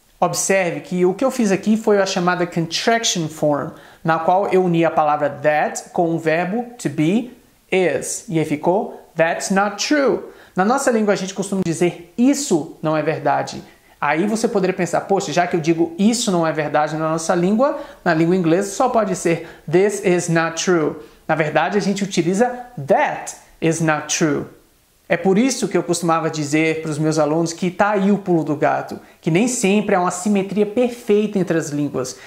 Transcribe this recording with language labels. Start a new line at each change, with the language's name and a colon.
Portuguese: Observe que o que eu fiz aqui foi a chamada contraction form, na qual eu uni a palavra that com o verbo to be, is. E aí ficou,
English: that's not true.
Portuguese: Na nossa língua a gente costuma dizer, isso não é verdade. Aí você poderia pensar, poxa, já que eu digo isso não é verdade na nossa língua, na língua inglesa só pode ser
English: this is not true.
Portuguese: Na verdade, a gente utiliza
English: that is not true.
Portuguese: É por isso que eu costumava dizer para os meus alunos que está aí o pulo do gato, que nem sempre há uma simetria perfeita entre as línguas.